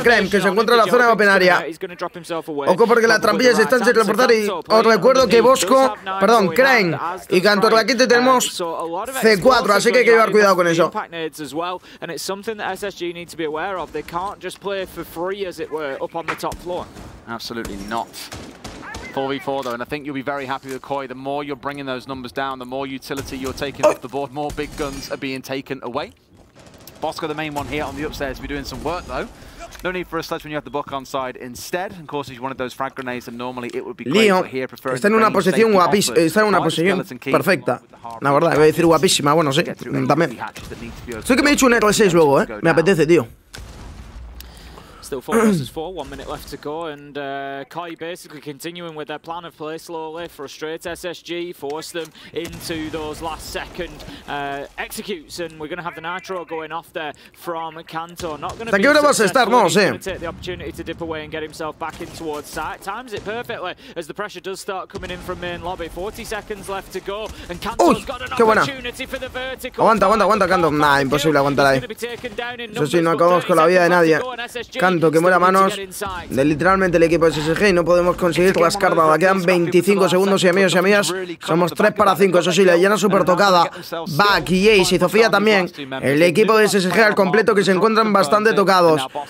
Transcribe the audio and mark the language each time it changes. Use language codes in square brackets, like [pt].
[es] Crime, que se encuentra en la zona de open area. Ojo, porque las trampillas están sin reportar. Y os recuerdo que Bosco, perdón, Crime y Cantor aquí te tenemos C4, así que hay que llevar cuidado con eso. [en] Up on the top floor. Absolutely not. 4v4 though, and I think you'll be very happy with Koi. The more you're bringing those numbers down, the more utility you're taking off the board, more big guns are being taken away. Bosco the main one here on the upstairs. We're doing some work though. No need for a sledge when you have the book on side instead. Of course, if you wanted those frag grenades, and normally it would be Leo, great, here preferring [es] está en una posición guapísima. Está en una posición perfecta. La verdad, voy a decir guapísima. Bueno, sí, también. Sé que me he hecho un R6 luego, ¿eh? Me apetece, tío. [en] Still 4 versus 4, 1 minute left to go, and Kai basically continuing with their plan of play slowly. Frustrate SSG, force them into those last second executes, and we're going to have the Nitro going off there from Kanto. Not going to be successful, but he's going to take the opportunity to dip away and get himself back in towards site. Times it perfectly as the pressure does start coming in from main lobby. 40 seconds left to go, and Kanto's got an opportunity for the vertical. [es] Aguanta, aguanta, aguanta, Kanto. Nah, imposible aguantar ahí. Eso sí, no conozco la vida de nadie. Kanto, que muera manos de literalmente el equipo de SSG y no podemos conseguir rascar nada. Quedan 25 segundos y amigos y amigas, somos 3 para 5. Eso sí, la llena super tocada. Back y Ace y Sofía también. El equipo de SSG al completo que se encuentran bastante tocados.